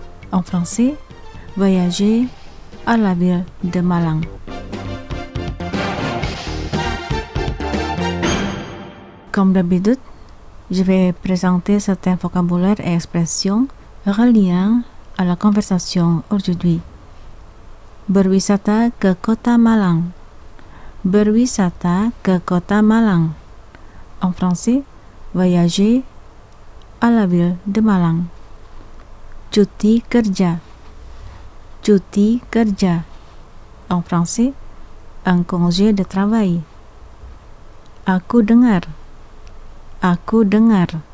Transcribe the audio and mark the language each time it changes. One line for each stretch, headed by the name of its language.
French: En français, voyager à la ville de Malang. Comme d'habitude, je vais présenter certains vocabulaires et expressions reliant à la conversation aujourd'hui.
Indonesian: Berwisata ke kota Malang. Berwisata ke kota Malang.
French: En français, voyager à la ville de Malang.
Indonesian: Cuti kerja. Cuti kerja.
French: En français, un congé de travail.
Indonesian: Aku dengar. Aku dengar.